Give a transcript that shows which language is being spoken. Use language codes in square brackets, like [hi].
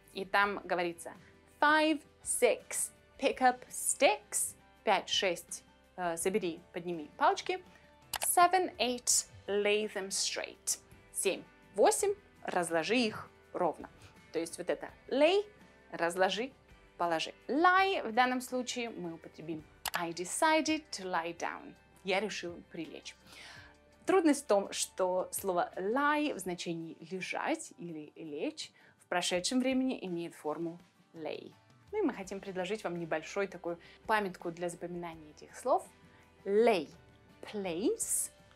[ru] И там говорится 5-6, [en] pick up sticks, [ru] 5-6, собери, подними палочки, 7-8, [en] lay them straight. [ru] 7-8, разложи их ровно. То есть вот это lay, разложи, положи. [en] Lie [ru] в данном случае мы употребим [en] I decided to lie down. [ru] Я решил прилечь. Трудность в том, что слово lie в значении лежать или лечь в прошедшем времени имеет форму lay. Ну и мы хотим предложить вам небольшую такую памятку для запоминания этих слов. [en] Lay – place.